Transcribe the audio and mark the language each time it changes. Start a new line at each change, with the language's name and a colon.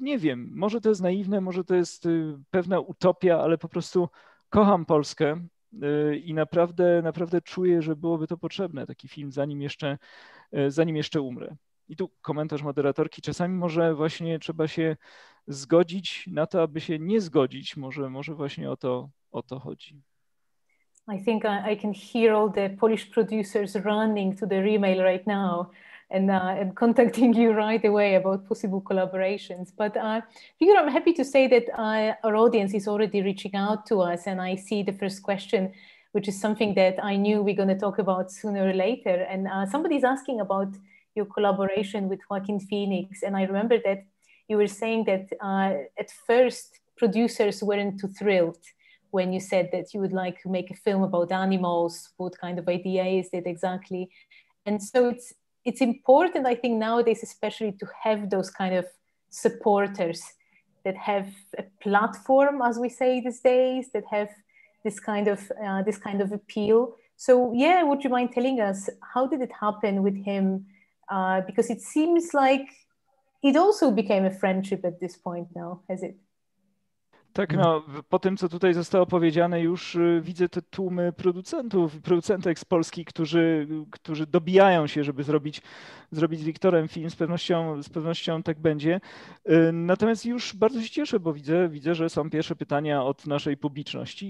Polish: Nie wiem, może to jest naiwne, może to jest pewna utopia, ale po prostu kocham Polskę i naprawdę, naprawdę czuję, że byłoby to potrzebne, taki film, zanim jeszcze umrę. I tu komentarz moderatorki. Czasami może właśnie trzeba się zgodzić na to, aby się nie zgodzić. Może właśnie o to chodzi.
English: I think I can hear all the Polish producers running to their email right now and contacting you right away about possible collaborations. But Figaro, I'm happy to say that our audience is already reaching out to us, and I see the first question, which is something that I knew we're going to talk about sooner or later. And somebody's asking about your collaboration with Joaquin Phoenix. And I remember that you were saying that at first producers weren't too thrilled when you said that you would like to make a film about animals. What kind of idea is it exactly? And so it's important, I think, nowadays, especially to have those kind of supporters that have a platform, as we say these days, that have this kind of appeal. So yeah, would you mind telling us, how did it happen with him? Because it seems like it also became a friendship at this point now, has it?
Polish: Tak, no, po tym, co tutaj zostało powiedziane, już widzę te tłumy producentów, producentek z Polski, którzy dobijają się, żeby zrobić z Wiktorem film. Z pewnością tak będzie. Natomiast już bardzo się cieszę, bo widzę, że są pierwsze pytania od naszej publiczności.